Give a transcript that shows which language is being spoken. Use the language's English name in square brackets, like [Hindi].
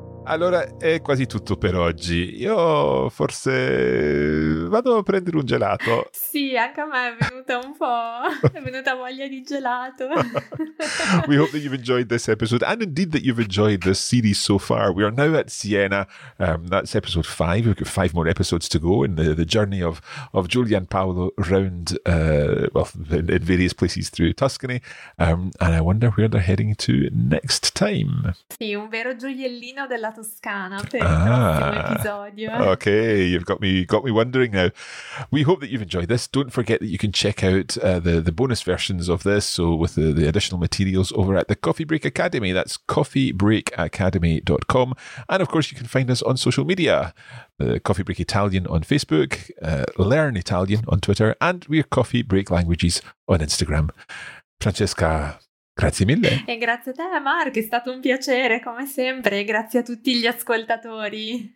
[Italian] Allora, è quasi tutto per oggi. Io forse vado a prendere un gelato. Sì, anche a me è venuta un po'. È venuta voglia di gelato. [English] We hope that you've enjoyed this episode and indeed that you've enjoyed this series so far. We are now at Siena. That's episode 5. We've got 5 more episodes to go in the journey of Giulia and Paolo around, in various places through Tuscany. And I wonder where they're heading to next time. [Italian] Sì, un vero gioiellino della Toscana per episodio. [English] Okay, you've got me wondering now. We hope that you've enjoyed this. Don't forget that you can check out the bonus versions of this, so with the additional materials over at the Coffee Break Academy. That's coffeebreakacademy.com. And of course, you can find us on social media. Coffee Break Italian on Facebook, Learn Italian on Twitter, and we're Coffee Break Languages on Instagram. [Italian] Francesca, grazie mille. E grazie a te, Mark, è stato un piacere, come sempre, e grazie a tutti gli ascoltatori.